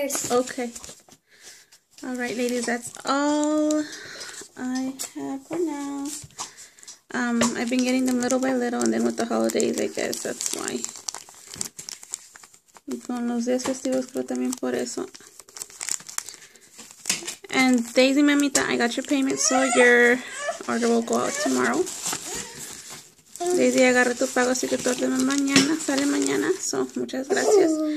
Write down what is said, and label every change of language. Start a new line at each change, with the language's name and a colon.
English: Okay. Alright, ladies, that's all I have for now. I've been getting them little by little, and then with the holidays, I guess that's why.
Spanish: Con los días festivos, creo también por eso.
English: And Daisy, mamita, I got your payment, so your order will go out tomorrow.
Spanish: Daisy, agarré tu pago, así que tu orden mañana, sale mañana, so muchas gracias.